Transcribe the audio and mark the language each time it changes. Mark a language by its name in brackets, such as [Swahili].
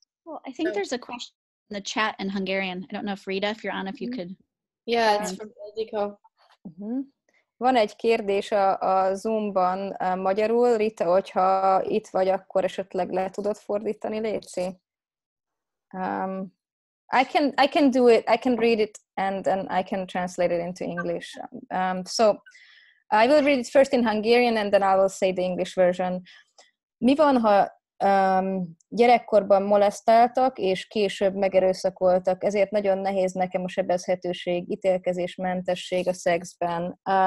[English] Well, I think there's a question in the chat in Hungarian. I don't know if Rita, if you're on, if you could. Yeah, it's from Ildikó. [Hungarian] Van egy kérdés a Zoomban magyarul. Rita, hogyha itt vagy, akkor esetleg le tudod fordítani, léci? [English] I can do it. I can read it and I can translate it into English. So I will read it first in Hungarian and then I will say the English version. [Hungarian] Mi van, ha gyerekkorban molesztáltak és később megerőszakoltak? Ezért nagyon nehéz nekem a sebezhetőség, ítélkezésmentesség a szexben.